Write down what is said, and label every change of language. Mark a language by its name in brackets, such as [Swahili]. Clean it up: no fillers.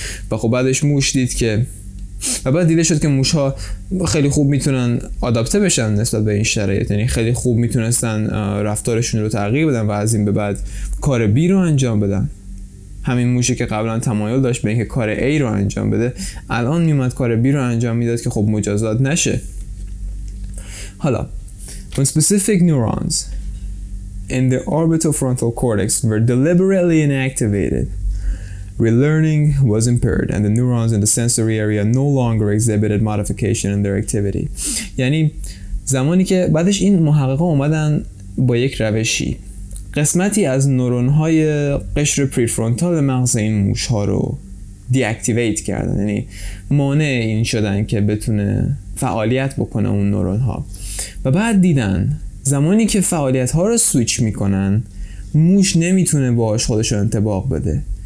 [Persian] و خب بعدش موش دید که، و بعد دیده شد که موش ها خیلی خوب میتونن آداپته بشن نسبت به این شرایط، یعنی خیلی خوب میتونستن رفتارشون رو تغییر بدن و از این به بعد کار B رو انجام بدن. همین موشی که قبلا تمایل داشت به اینکه کار A رو انجام بده، الان میومد کار B رو انجام میداد که خب مجازات نشه. حالا [English] when specific neurons in the orbitofrontal cortex were deliberately inactivated, relearning was impaired and the neurons in the sensory area no longer exhibited modification in their activity. [Persian] یعنی زمانی که بعدش این محققا اومدن با یک روشی قسمتی از نورون‌های قشر پریفرونتال مغز این موش‌ها رو دی اکتیویت کردن، یعنی مانع این شدن که بتونه فعالیت بکنه اون نورون‌ها، و بعد دیدن زمانی که فعالیت‌ها رو سویچ می‌کنن موش نمیتونه باهاش خودش رو انطباق بده.